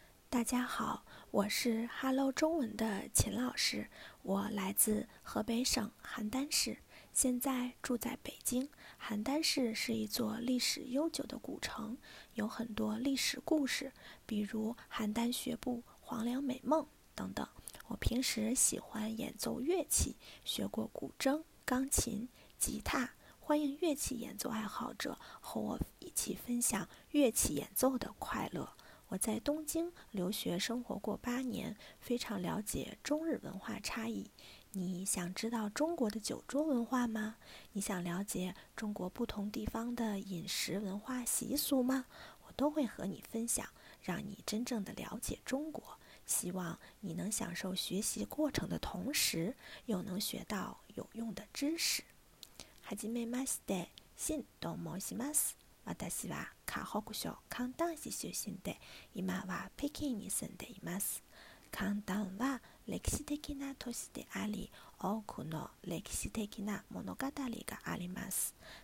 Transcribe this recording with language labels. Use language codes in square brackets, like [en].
[zh] 大家好，我是 Hello 中文的秦老师，我来自河北省邯郸市，现在住在北京。邯郸市是一座历史悠久的古城，有很多历史故事，比如邯郸学步、黄粱美梦等等。我平时喜欢演奏乐器，学过古筝、钢琴、吉他，欢迎乐器演奏爱好者和我一起分享乐器演奏的快乐。我在东京留学生活过8年，非常了解中日文化差异。你想知道中国的酒桌文化吗？你想了解中国不同地方的饮食文化习俗吗？我都会和你分享，让你真正的了解中国。希望你能享受学习过程的同时，又能学到有用的知识。 [ja] はじめまして、新と申します。私は河北省邯郸市出身で、今は北京に住んでいます。邯郸は歴史的な都市であり、多くの歴史的な物語があります。